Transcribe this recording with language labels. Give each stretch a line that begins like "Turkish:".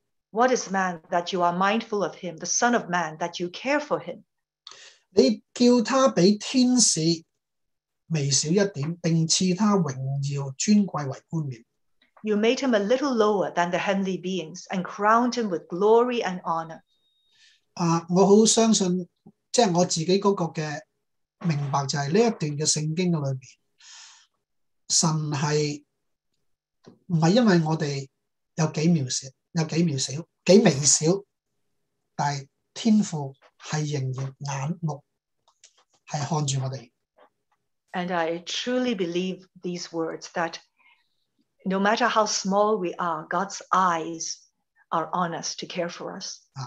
English: What is man that you are mindful of him, the son of man that you care for him?
Chinese: 你叫他比天使微小一点，并赐他荣耀尊贵为冠冕。
English: You made him a little lower than the heavenly beings and crowned him with glory and honor.
Chinese: 我很相信，即是我自己那个的明白，就是这一段的圣经里面。神是不是因为我们有几渺小，但是天父是仍然眼目是看着我们。 And
English: I truly believe these words that no matter how small we are, God's eyes are on us to care for us.